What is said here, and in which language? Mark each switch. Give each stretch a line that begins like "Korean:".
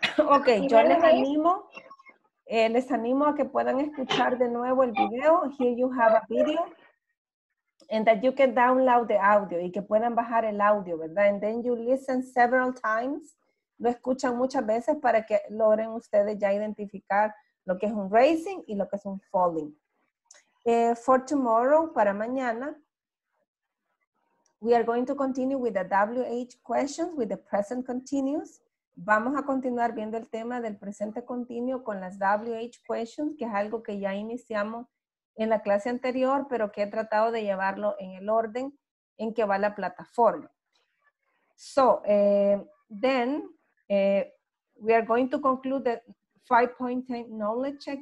Spanish: Ok, yo les animo a que puedan escuchar de nuevo el video.
English: Here you have a video. And that you can download the audio.
Spanish: Y que puedan bajar el audio, ¿verdad?
English: And then you listen several times.
Spanish: Lo escuchan muchas veces para que logren ustedes ya identificar lo que es un racing y lo que es un falling.
English: For tomorrow,
Spanish: para mañana,
English: we are going to continue with the WH questions with the present continuous.
Spanish: Vamos a continuar viendo el tema del presente continuo con las WH questions, que es algo que ya iniciamos en la clase anterior, pero que he tratado de llevarlo en el orden en que va la plataforma.
English: So, we are going to conclude the 5.10 knowledge check.